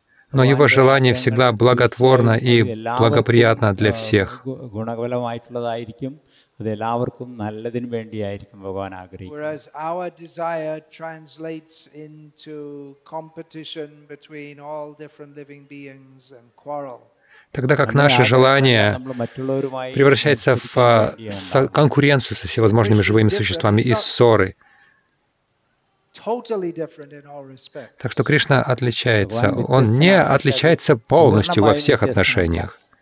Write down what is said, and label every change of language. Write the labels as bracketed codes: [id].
[ru] Но его желание всегда благотворно и благоприятно для всех. [en] Whereas our desire translates into competition between all different living beings and quarrel. [ru] Тогда как наше желание превращается в конкуренцию со всевозможными живыми существами и ссоры. Так что Кришна отличается. Он не отличается полностью во всех отношениях.